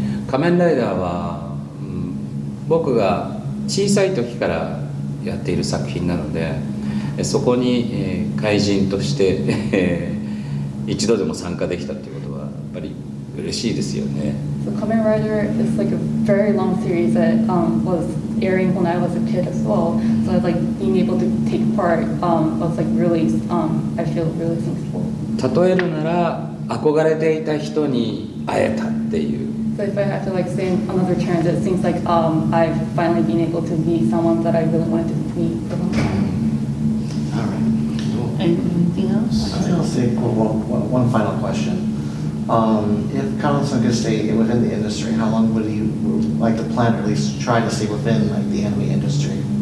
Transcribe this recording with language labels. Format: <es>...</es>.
<ja>仮面ライダーは、僕が小さい時からやっている作品なので、そこに、怪人として一度でも参加できたということはやっぱり嬉しいですよね。</ja> <en>So Kamen Rider is like a very long series that was airing when I was a kid as well. So I was like being able to take part was like really I feel really thankful.</en> <ja>例えるなら憧れていた人に会えたっていう。</ja> <en>So if I have to like say another chance, it seems like I've finally been able to meet someone that I really wanted to meet for a long time. All right. Cool. Anything else? I'll say one final question. If Kamen Sun could stay within the industry, how long would you like to plan, or at least try to stay within like, the anime industry?</en>